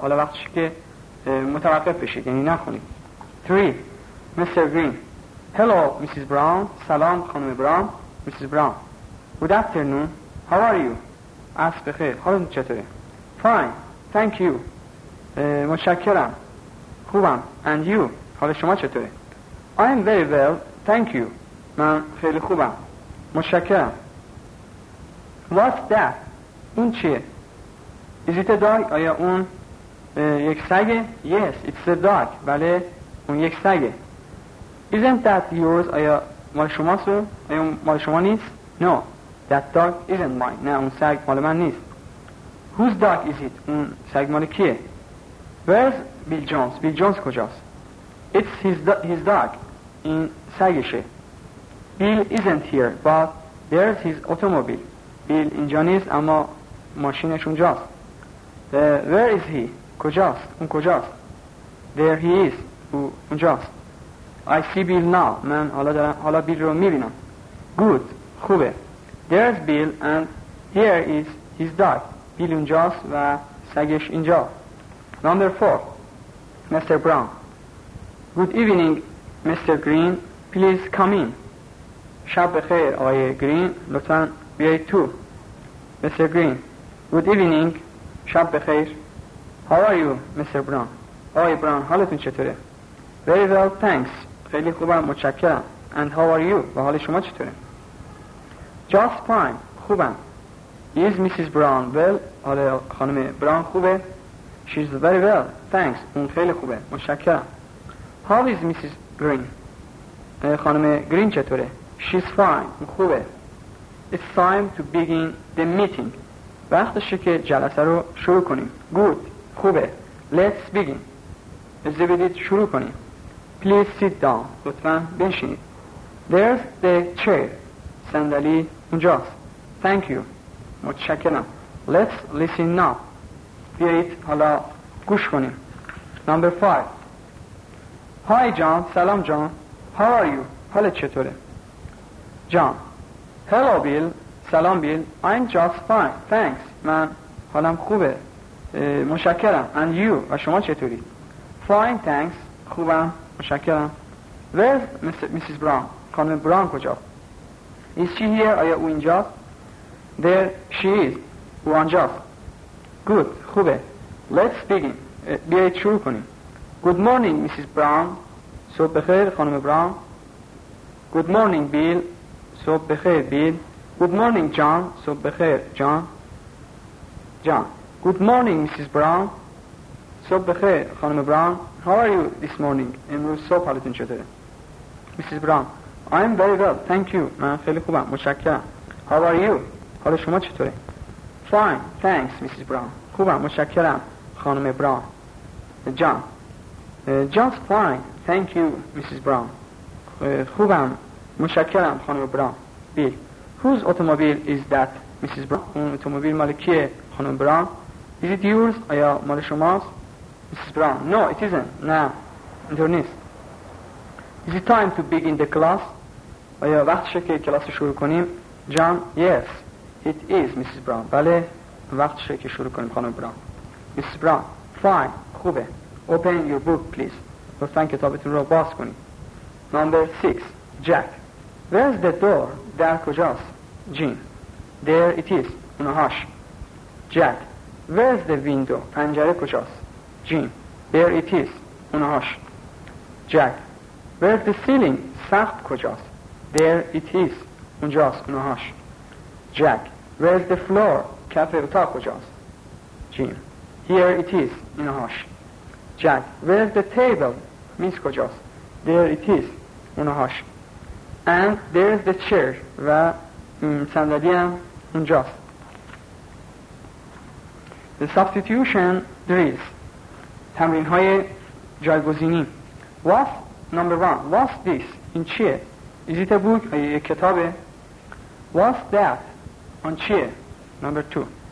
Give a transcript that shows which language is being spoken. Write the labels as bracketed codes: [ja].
[fa] حالا وقتش که متوقف بشید, یعنی نخونید. [en] 3. Mr. Green. Hello, Mrs. Brown. [fa] سلام خانم براون. [en] Mrs. Brown. Good afternoon. How are you? [fa] عصر بخیر. حالت چطوره؟ [en] Fine. Thank you. [fa] متشکرم. خوبم. [en] And you? [fa] حال شما چطوره؟ [en] I am very well. Thank you. [fa] من خیلی خوبم. متشکرم. [en] What's that? [fa] اون چیه؟ [en] Is it a dog? [fa] آیا اون یک سگه؟ [en] Yes, it's a dog. [fa] بله، اون یک سگه. [en] Isn't that yours? [fa] آیا مال شماست؟ آیا مال شما نیست؟ [en] No, that dog isn't mine. [fa] نه، اون سگ مال من نیست. [en] Whose dog is it? [fa] اون سگ مال کیه؟ [en] Where's Bill Jones? Bill Jones [fa] کجاست؟ [en] It's his dog. [fa] این سگشه. [en] Bill isn't here, but there's his automobile. [fa] Bill اینجا نیست، اما ماشینش اونجاست. [en] Where is he? [fa] کجاست؟ اون کجاست؟ [en] There he is. [fa] او اونجاست. [en] I see Bill now. [fa] من حالا Bill رو میبینم. [en] Good. [fa] خوبه. [en] There's Bill and here is his dog. [fa] Bill اونجاست و سگش اینجا. [en] Number 4. Mr. Brown. Good evening, Mr. Green. Please come in. [fa] شب بخیر آقای گرین. لطفا بیایید تو. [en] Mr. Green. Good evening. [fa] شب بخیر. [en] How are you, Mr. Brown? [fa] آقای براون حالتون چطوره؟ [en] Very well, thanks. [fa] خیلی خوبم، متشکرم. [en] And how are you? [fa] و حال شما چطوره؟ [en] Just fine. [fa] خوبم. [en] Is Mrs. Brown well? [fa] حال خانم براون خوبه؟ [en] She's very well, thanks. [fa] اون خیلی خوبه، متشکرم. [en] How is Mrs. Green? [fa] خانم گرین چطوره؟ [en] She's fine. [fa] اون خوبه. [en] It's time to begin the meeting. [fa] وقتشه که جلسه رو شروع کنیم. [en] Good. [fa] خوبه. [en] Let's begin. [fa] اجازه بدید شروع کنیم. [en] Please sit down. [fa] لطفا بنشینید. [en] There's the chair. [fa] صندلی اونجاست. [en] Thank you. [fa] متشکرم. [en] Let's listen now. [fa] بیایید حالا گوش کنیم. [en] Number 5. Hi John. [fa] سلام جان. [en] How are you? [fa] حالت چطوره؟ [en] جان. Hello Bill. [fa] سلام بیل. [en] I'm just fine. Thanks. [fa] من حالم خوبه. متشکرم. [en] And you. [fa] و شما چطوری؟ [en] Fine, thanks. [fa] خوبم. متشکرم. [en] Where Mrs. Brown؟ [fa] خانم براون کجا؟ [en] Is she here؟ [fa] آیا او اینجا؟ [en] There she is. [fa] او آنجاست. [en] Good. [fa] خوبه. [en] Let's begin. [fa] بیایید شروع کنیم. [en] Good morning, Mrs. Brown. [fa] صبح بخیر خانم براون. [en] Good morning, Bill. [fa] صبح بخیر بیل. [en] Good morning, John. [fa] صبح بخیر جان. جان. [en] Good morning, Mrs. Brown. [fa] صبح بخیر خانم براون. [en] How are you this morning? [fa] امروز صبح حالتون چطوره؟ Mrs. [en] Brown. I am very well, thank you. [fa] من خیلی خوبم. متشکرم. [en] How are you? [fa] حال شما چطوره؟ [en] Fine, thanks, Mrs. [fa] Brown. خوبم. متشکرم خانم براون. جان. [en] John's fine, thank you, Mrs. [fa] Brown. خوبم. متشکرم خانم براون. بیل. [en] Whose automobile is that, Mrs. Brown? [fa] اون اتومبیل مال کیه خانم براون؟ [en] Is it yours? [fa] آیا مال شماست؟ Mrs. [en] Brown. No, it isn't. [fa] نه. اینطور نیست. [en] Is it time to begin the class? [fa] آیا وقتشه که کلاس شروع کنیم؟ John. [en] Yes, it is, Mrs. Brown. [fa] بله. وقتشه که شروع کنیم خانم براون. [en] Mrs. Brown. Fine. [fa] خوبه. [en] Open your book, please. [fa] لطفاً کتابتون رو باز کنیم. [en] Number 6. Jack. Where's the door? [fa] در کجاست؟ Jean. [en] There it is. [fa] اونهاش. [en] Jack. Where's the window? [fa] پنجره کجاست؟ Jean. [en] There it is. [fa] اونهاش. [en] Jack. Where's the ceiling? [fa] سقف کجاست؟ [en] There it is. [fa] اونجاست. اونهاش. [en] Jack. Where's the floor? [fa] کف اتاق کجاست؟ Jean. [en] Here it is. [fa] اونهاش. [en] Jack. Where's the table? [fa] میز کجاست؟ [en] There it is. [fa] اونهاش. [en] And there's the chair. [fa] و صندلی هم اونجاست. [en] The substitution drills. [fa] تمرین های جایگزینی. [en] What? Number one. What's this? [fa] این چیه؟ [en] Is it a book? [fa] یه کتابه. [en] What's that? [fa] آن چیه؟ [en] Number two.